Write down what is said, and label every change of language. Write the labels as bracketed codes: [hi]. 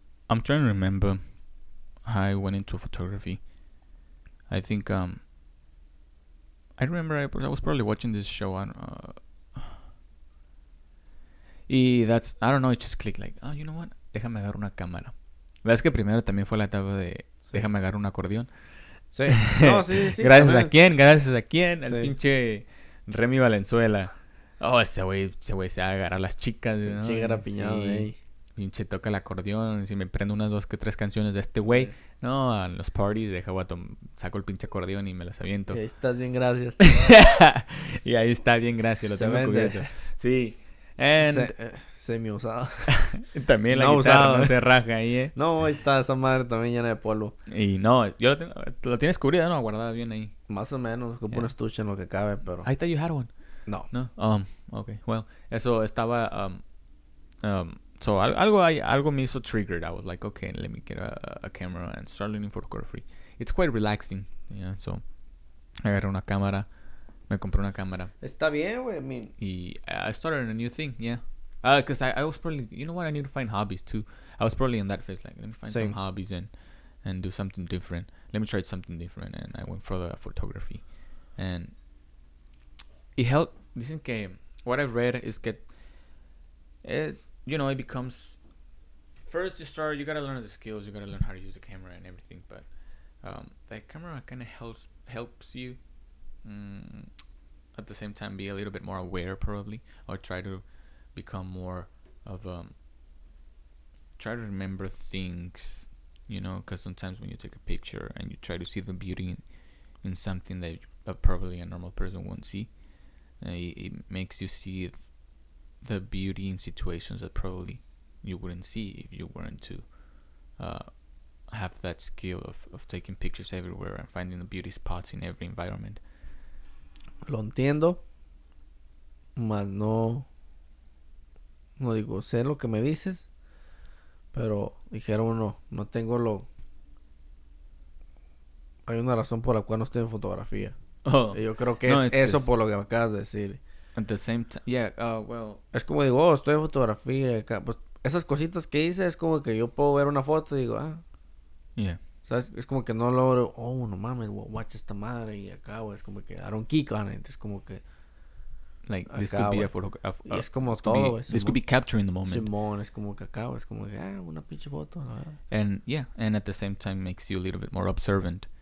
[en] I'm trying to remember how I went into photography. I think... I remember I was probably watching this show on, that's, I don't know, it just clicked like, oh, you know what, [es] déjame agarrar una cámara. ¿Ves que primero también fue la etapa de, déjame agarrar un acordeón? Sí, no, sí, sí. ¿Gracias también. A quién? ¿Gracias a quién? Al pinche Remy Valenzuela. Oh, ese güey se va a agarrar a las chicas, ¿no? Sí, garapiñado, güey. Pinche toca el acordeón, si me prendo unas dos que tres canciones de este güey, no, a los parties, deja guato, saco el pinche acordeón y me las aviento. Ahí estás bien, gracias. Y ahí está bien, gracias, lo se tengo vende. Cubierto. Sí. And... semi usado. También la no guitarra usado, no se raja ahí, ¿eh? No, ahí está esa madre también llena de polvo. Y no, yo lo tienes cubierto, ¿no? Guardada bien ahí. Más o menos, ocupo un estuche en lo que cabe, pero... [en] I thought you had one. [es] No. No, ok, well, eso estaba, so algo me hizo triggered. [en] I was like, okay, let me get a camera and start learning photography. It's quite relaxing, yeah. [es] So agarré una cámara, me compré una cámara. Está bien, güey. [en] I mean, y I started a new thing, yeah. Because I was probably, you know what, I need to find hobbies too. I was probably in that phase, like, let me find some hobbies and do something different. Let me try something different, and I went for the photography, and it helped. [es] Dicen que [en] what I've read is que you know, it becomes, first you start, you gotta learn the skills, you gotta learn how to use the camera and everything, but that camera kind of helps you at the same time be a little bit more aware, probably, or try to become more of a, try to remember things, you know, because sometimes when you take a picture and you try to see the beauty in something that probably a normal person won't see, it makes you see it. The beauty in situations that probably you wouldn't see if you weren't to have that skill of taking pictures everywhere and finding the beauty spots in every environment. [es] Lo entiendo, mas no, no digo, sé lo que me dices, pero dijeron no, no tengo lo, hay una razón por la cual no estoy en fotografía. Oh. Y yo creo que no, es eso por lo que me acabas de decir. [en] At the same time, yeah, well. [es] Es como digo, oh, estoy en fotografía acá, pues esas cositas que hice es como que yo puedo ver una foto y digo, ah. [en] Yeah. [es] ¿Sabes? Es como que no logro, oh, no mames, watch esta madre y acá, güey. Es como que [en] I don't kick on it. [es] Es como que... [en] Like, acá, this could be a photo... [es] Y es como todo, güey. [en] This could be capturing the moment. [es] Simón, es como que acá, güey. Es como que, ah, una pinche foto. ¿No? [en] And, yeah, and at the same time makes you a little bit more observant.